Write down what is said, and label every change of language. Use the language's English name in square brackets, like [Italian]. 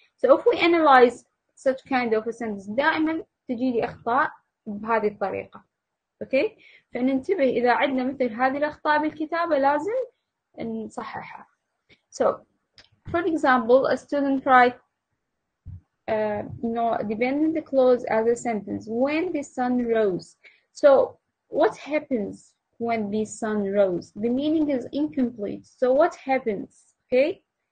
[English] So if we analyze such kind of a sentence, [Arabic] دائما تجي لي أخطاء بهذه الطريقة. Okay؟ فننتبه إذا عندنا مثل هذه الأخطاء بالكتابة لازم نصححها. [English] So, for example, a student write dependent clause as a sentence. When the sun rose. So, what happens when the sun rose? The meaning is incomplete. So, what happens? Okay?